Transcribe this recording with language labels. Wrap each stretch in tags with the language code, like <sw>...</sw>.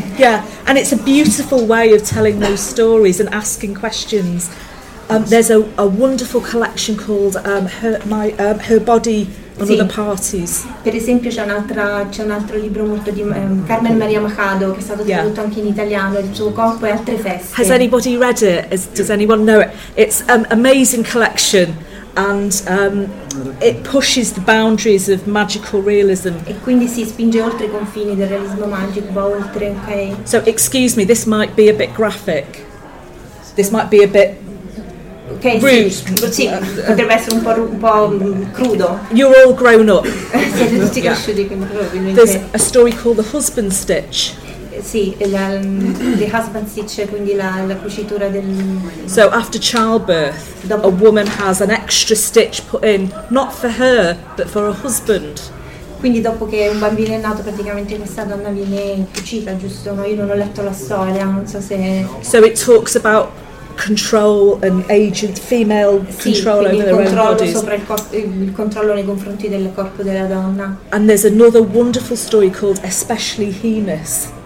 <en>Yeah, and it's a beautiful way of telling those stories and asking questions. There's a wonderful collection called Her Body.</en> <it>Per esempio c'è un altro libro molto di Carmen Maria Machado che è stato tradotto anche in italiano, Il suo corpo e altre feste.</it> <en>Has anybody read it? Does anyone know it? It's an amazing collection. and it pushes the boundaries of magical realism.</en> <it>E quindi si spinge oltre i confini del realismo magico, oltre, okay.</it> <en>So excuse me, this might be a bit graphic. This might be a bit okay, rude.</en> <it>Sì, sì, potrebbe essere un po' crudo.</it> <en>You're all grown up.</en> <it>Siete tutti cresciuti.</it> <en>There's a story called The Husband Stitch.</en> <it>Sì, the husband stitch, quindi la cucitura del.</it> <en>So after childbirth, a woman has an extra stitch put in, not for her, but for her husband.</en> <it>Quindi dopo che un bambino è nato, praticamente questa donna viene cucita, giusto? No, io non ho letto la storia, non so se.</it> <en>So it talks about control and agent, female control over their own bodies.</en> <it>Sì, quindi il controllo nei confronti del corpo della donna.</it> <en>And there's another wonderful story called Especially Heinous.</en>